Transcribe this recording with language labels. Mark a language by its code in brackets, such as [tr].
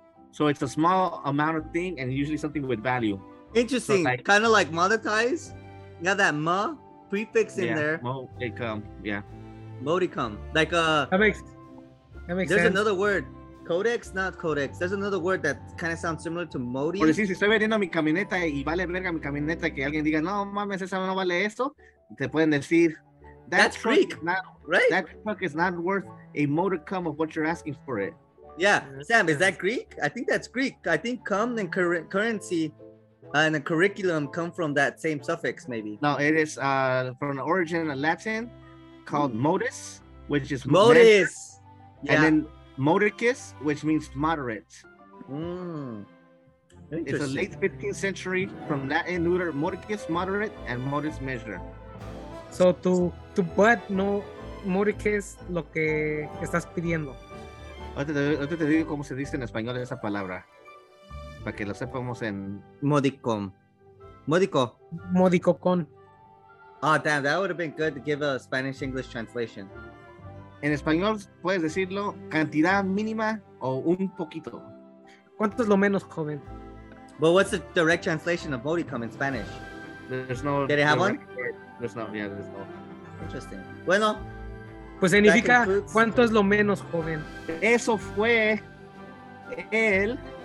[en] So it's a small amount of thing and usually something with value. Interesting. So like, kind of like monetize. You got that ma prefix in there. Modicum. Yeah. Modicum. Like That makes sense. There's another word. Codex, not codex. There's another word that kind of sounds similar to modi. [es] Por decir, si estoy vendiendo mi camioneta y vale verga mi camioneta, que alguien diga, no mames, esa no vale eso, te pueden decir, [en] that's freak, not, right? That truck is not worth a modicum of what you're asking for it. Yeah, Sam, is that Greek? I think that's Greek. I think cum and currency and a curriculum come from that same suffix, maybe. No, it is from an origin in Latin called modus, which is modus. Yeah. And then modicus, which means moderate. It's a late 15th century from Latin neuter modicus, moderate, and modus, measure. So to but [es] no modicus lo que estás pidiendo. Ahorita te digo cómo se dice en español esa palabra. Para que lo sepamos en... Modicum. Modico. Modico con. [en] Ah, oh, damn, that would have been good to give a Spanish-English translation. [es] En español puedes decirlo cantidad mínima o un poquito. ¿Cuánto es lo menos, joven? [en] But what's the direct translation of modicum in Spanish? There's no... Did it have one? There's no, yeah, there's no. Interesting. Bueno... [es] Pues significa, ¿cuánto es lo menos, joven? Eso fue el...